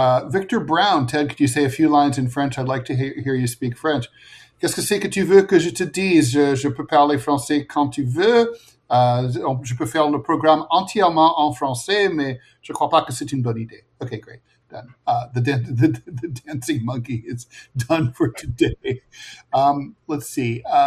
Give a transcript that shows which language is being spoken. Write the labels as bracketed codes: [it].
[en] Victor Brown, Ted, could you say a few lines in French? I'd like to hear you speak French. [fr] Qu'est-ce que c'est que tu veux que je te dise? Je peux parler français quand tu veux. Je peux faire le programme entièrement en français, mais je ne crois pas que c'est une bonne idée. [en] Okay, great. Done. The dancing monkey is done for today. Let's see.